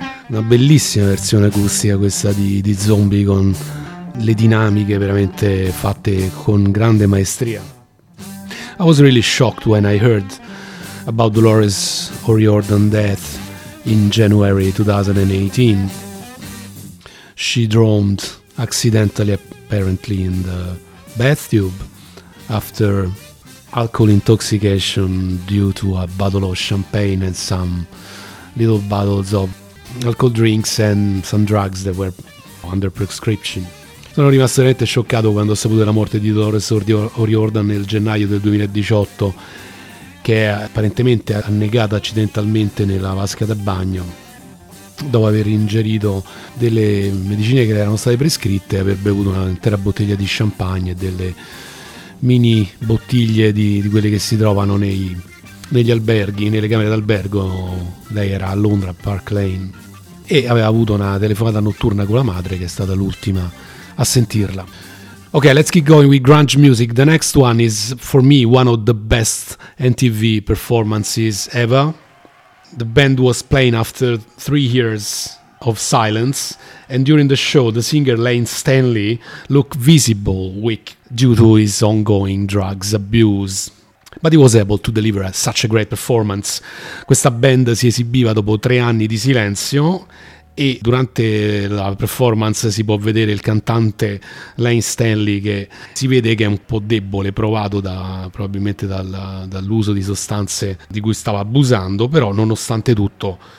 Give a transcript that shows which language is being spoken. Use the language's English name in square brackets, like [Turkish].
[Italian] Una bellissima versione acustica questa di Zombie, con le dinamiche veramente fatte con grande maestria. [English] I was really shocked when I heard about Dolores O'Riordan death in January 2018. She drowned accidentally, apparently, in the bathtub after alcohol intoxication due to a bottle of champagne and some little bottles of alcohol drinks and some drugs that were under prescription. [Italian] Sono rimasto veramente scioccato quando ho saputo la morte di Dolores O'Riordan nel gennaio del 2018, che è apparentemente annegata accidentalmente nella vasca da bagno dopo aver ingerito delle medicine che le erano state prescritte e aver bevuto un'intera bottiglia di champagne e delle mini bottiglie di quelle che si trovano negli alberghi, nelle camere d'albergo. Lei era a Londra, Park Lane, e aveva avuto una telefonata notturna con la madre, che è stata l'ultima a sentirla. [English] Ok, let's keep going with grunge music. The next one is for me one of the best MTV performances ever. The band was playing after 3 years of silence, and during the show the singer Lane Stanley looked visible weak due to his ongoing drugs abuse, but he was able to deliver such a great performance. [Italian] Questa band si esibiva dopo 3 anni di silenzio, e durante la performance si può vedere il cantante Lane Stanley, che si vede che è un po' debole, provato probabilmente dall'uso di sostanze di cui stava abusando, però nonostante tutto